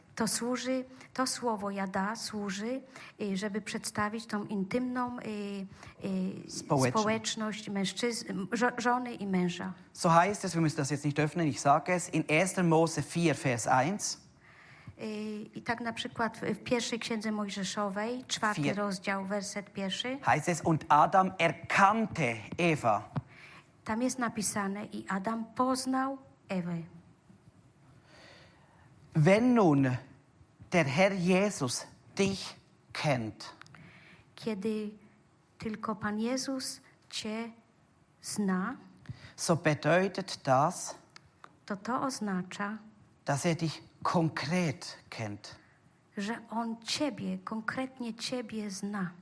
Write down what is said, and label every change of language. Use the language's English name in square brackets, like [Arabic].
[Polish] To służy, to słowo jada służy, żeby przedstawić tą intymną społeczność żony i męża. [German] So heißt es, wir müssen das jetzt nicht öffnen, ich sage es, in 1. Mose 4, Vers 1. [Polish] I tak na przykład w pierwszej Księdze Mojżeszowej, 4. rozdział, werset 1. [German] Heißt es, und Adam erkannte Eva. [Polish] Tam jest napisane, i Adam poznał Ewę. [German] Wenn nun der Herr Jesus dich kennt, [Polish] kiedy tylko Pan Jezus cię zna, [German] so bedeutet das, [Polish] to oznacza, [German] dass er dich konkret kennt, [Polish] że on ciebie, konkretnie ciebie zna,